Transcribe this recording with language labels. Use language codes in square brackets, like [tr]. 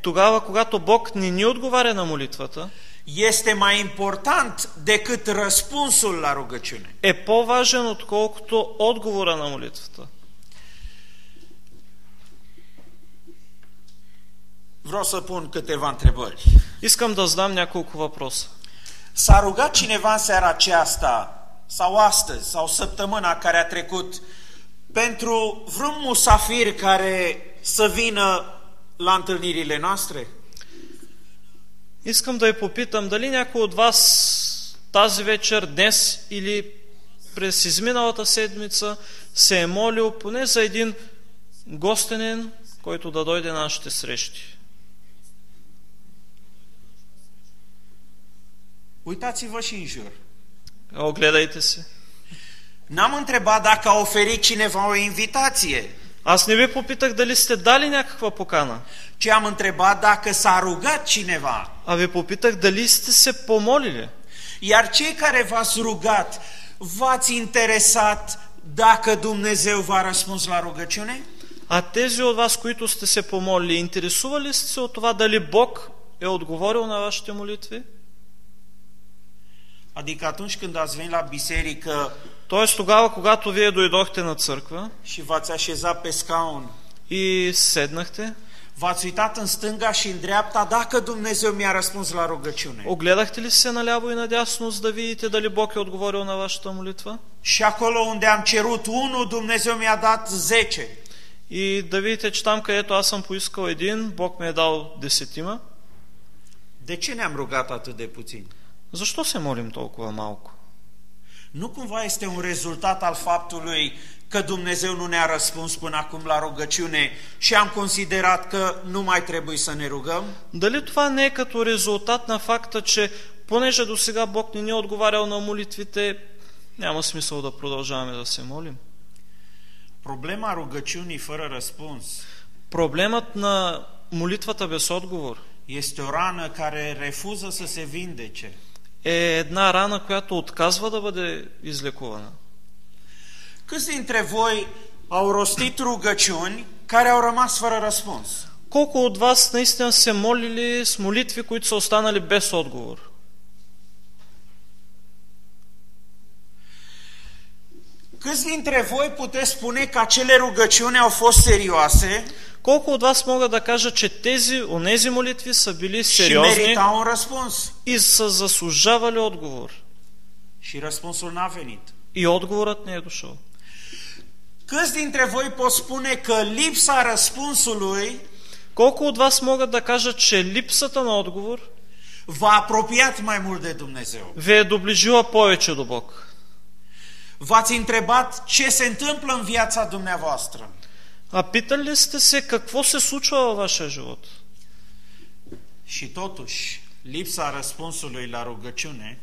[bg] тогава когато Бог не ни отговаря на молитвата, [ro] este mai important decât răspunsul la rugăciune. [bg] Е по-важен отколкото отговора на молитвата. [ro] Vreau să pun câteva întrebări. [bg] Искам да задам няколко въпроса. [ro] S-a rugat cineva în seara aceasta sau astăzi sau săptămâna care a trecut pentru vreun musafir care să vină la întâlnirile noastre? [bg] Искам да я попитам дали някой от вас тази вечер, днес или през изминалата седмица се е молил поне за един гостенен, който да дойде на нашите срещи. [ro] Uitați-vă și în jur. [bg] Огледайте се. [ro] N-am întrebat dacă a oferit cineva o invitație. [bg] Аз не ви попитах дали сте дали някаква покана. [ro] Ce am întrebat dacă s-a rugat cineva. [bg] А ви попитах дали сте се помолили. [ro] Iar cei care v-ați rugat, v-ați interesat dacă Dumnezeu v-a răspuns la rugăciune? [bg] А тези от вас, които сте се помолили, интересували сте се от това дали Бог е отговорил на вашите молитви? [ro] Adică atunci când ați venit la biserică, [bg] тоест тогава когато вие дойдохте на църква, [ro] și v-ați așezat pe scaun, [bg] и седнахте, [ro] v-ați uitat în stânga și în dreapta dacă Dumnezeu mi-a răspuns la rugăciune. [bg] Огледахте ли се наляво и надясно, за да видите дали Бог е отговорил на вашата молитва? [ro] Și acolo unde am cerut unul, Dumnezeu mi-a dat 10. [bg] И да видите, че там където аз съм поискал един, Бог ми е дал десетима. [ro] De ce ne-am rugat atât de puțin? [bg] Защо се молим толкова малко? [ro] Nu cumva este un rezultat al faptului că Dumnezeu nu ne-a răspuns până acum la rugăciune și am considerat că nu mai trebuie să ne rugăm? [bg] Дали това не е като резултат на факта, че понеже до сега Бог не ни е отговарял на молитвите, няма смисъл да продължаваме да се молим? [ro] Проблема rugăciunii fără răspuns. [bg] Проблемът на молитвата без отговор. [ro] Este o rană care refuză să se vindece. [bg] Е една рана, която отказва да бъде излекувана. [ro] Câți dintre voi au rostit rugăciuni care au rămas fără răspuns? [bg] Колко от вас наистина се молили с молитви, които са останали без отговор? [ro] Câți dintre voi puteți spune că acele rugăciuni au fost serioase? [bg] Колко от вас мога да кажа, че тези, онези молитви са били сериозни и са заслужавали отговор? [ro] Și răspunsul n-a venit. [bg] И отговорът не е дошъл. [ro] Câți dintre voi pot spune că lipsa răspunsului, [bg] колко от вас могат да кажат, че липсата на отговор [ro] v-a apropiat mai mult de Dumnezeu? [bg] Ви е доближила повече до Бог. [ro] V-ați întrebat ce se întâmplă în viața dumneavoastră? [bg] А питали ли сте се какво се случва във вашия живот? [ro] Și totuși, lipsa răspunsului la rugăciune,